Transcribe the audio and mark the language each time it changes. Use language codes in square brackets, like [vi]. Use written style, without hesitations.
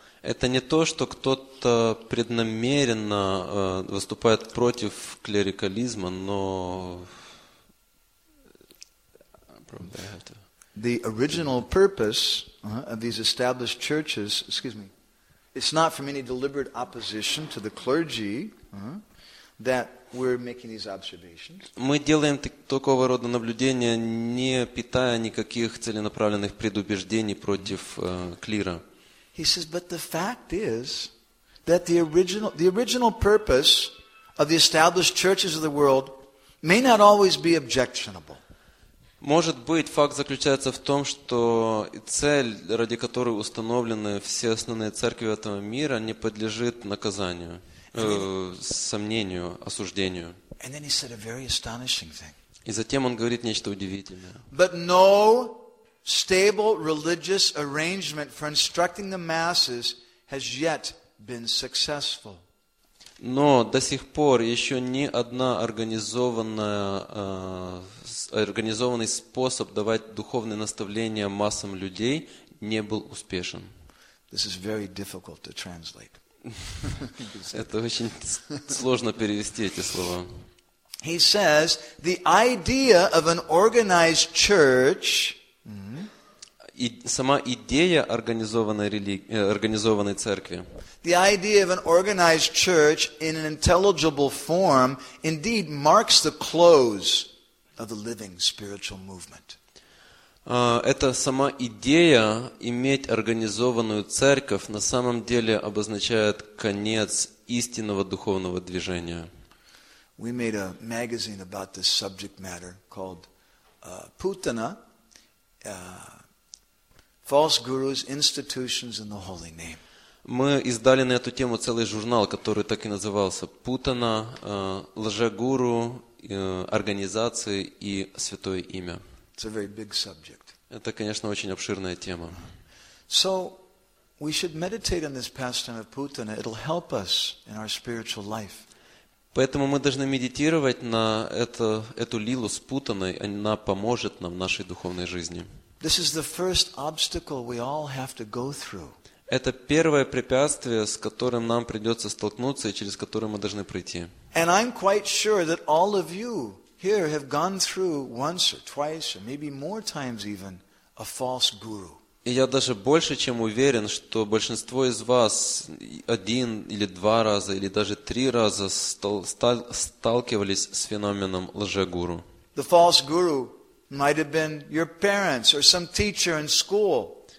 [ru] Это не то, что кто-то преднамеренно выступает против клерикализма, но... [en] The original purpose of these established churches, excuse me, it's not from any deliberate opposition to the clergy that we're making these observations. [ru] Мы делаем такого рода наблюдения, не питая никаких целенаправленных предубеждений против клира. [en] He says, but the fact is that the original purpose of the established churches of the world may not always be objectionable. [ru] Может быть, факт заключается в том, что цель, ради которой установлены все основные церкви этого мира, не подлежит наказанию, сомнению, осуждению. [en] And then he said a very astonishing thing. [ru] И затем он говорит нечто удивительное. [en] But no stable religious arrangement for instructing the masses has yet been successful. [ru] Но до сих пор еще ни одна организованный способ давать духовные наставления массам людей не был успешен. [en] This is very difficult to translate. [ru] Это очень сложно перевести эти слова. [en] He says the idea of an organized church. [ru] И сама идея организованной церкви. [en] The idea of an organized church in an intelligible form indeed marks the close of the living spiritual movement. [ru] Это сама идея иметь организованную церковь на самом деле обозначает конец истинного духовного движения. [en] We made a magazine about this subject matter called Putana. False gurus, institutions in the holy name. [ru] Мы издали на эту тему целый журнал, который так и назывался Путана, лжегуру, организации и святое имя. [en] It's a very big subject. [ru] Это, конечно, очень обширная тема. [en] So we should meditate on this pastime of Putana. It'll help us in our spiritual life. [ru] Поэтому мы должны медитировать на эту лилу спутанной, она поможет нам в нашей духовной жизни. [en] This is the first obstacle we all have to go through. [ru] Это первое препятствие, с которым нам придется столкнуться и через которое мы должны пройти. [en] And I'm quite sure that all of you here have gone through once or twice or maybe more times even a false guru. [ru] И я даже больше чем уверен, что большинство из вас один или два раза или даже три раза сталкивались с феноменом лжегуру. [en] The false guru might have been your parents or some teacher in school.